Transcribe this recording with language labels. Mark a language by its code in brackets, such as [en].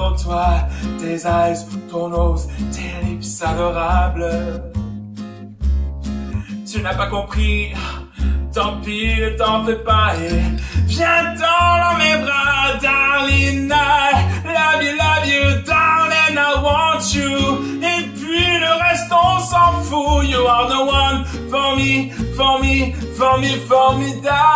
[fr] Oh, toi, tes eyes, ton nose, tes lips adorables. Tu n'as pas compris. Tant pis, ne t'en fais pas et viens dans mes bras, darling. [en] I love you, darling, I want you. [fr] Et puis le reste, on s'en fout. [en] You are the one for me, for me, for me, formidable.